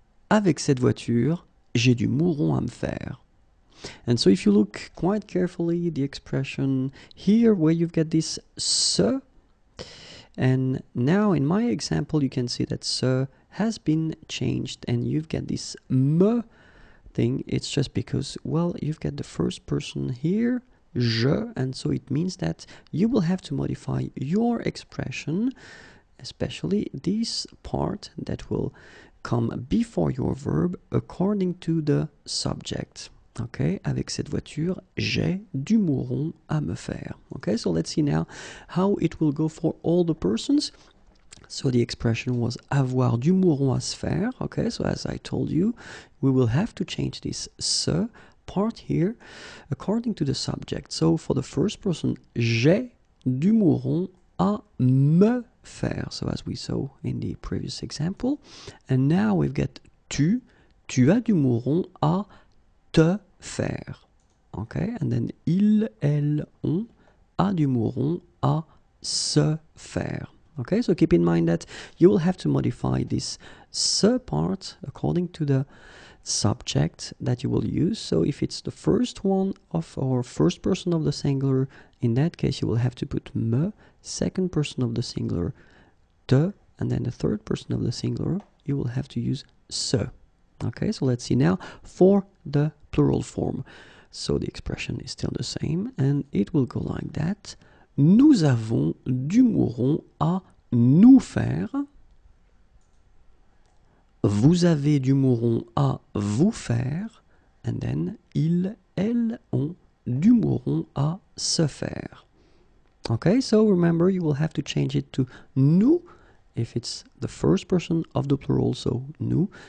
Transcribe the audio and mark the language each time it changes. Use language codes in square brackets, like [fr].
[fr] Avec cette voiture, j'ai du mouron à me faire. [en] And so if you look quite carefully, the expression here where you've got this se, and now in my example you can see that se has been changed and you've got this me thing. It's just because, well, you've got the first person here, je, and so it means that you will have to modify your expression, especially this part that will come before your verb according to the subject. [fr] Okay, avec cette voiture, j'ai du mouron à me faire. [en] Okay, so let's see now how it will go for all the persons. So the expression was [fr] avoir du mouron à se faire. [en] Okay, so as I told you, we will have to change this se part here according to the subject. So for the first person, [fr] j'ai du mouron à me faire. [en] Faire, so as we saw in the previous example, and now we've got [fr] tu as du mouron à te faire, [en] okay, and then [fr] elles ont a du mouron à se faire, [en] okay, so keep in mind that you will have to modify this se part according to the subject that you will use. So if it's the first one of our first person of the singular, in that case you will have to put me, second person of the singular te, and then the third person of the singular you will have to use se. Okay, so let's see now for the plural form. So the expression is still the same and it will go like that. [fr] Nous avons du mouron à nous faire. Vous avez du mouron à vous faire. [en] And then, [fr] ils, elles ont du mouron à se faire. [en] Okay, so remember, you will have to change it to nous, if it's the first person of the plural, so nous.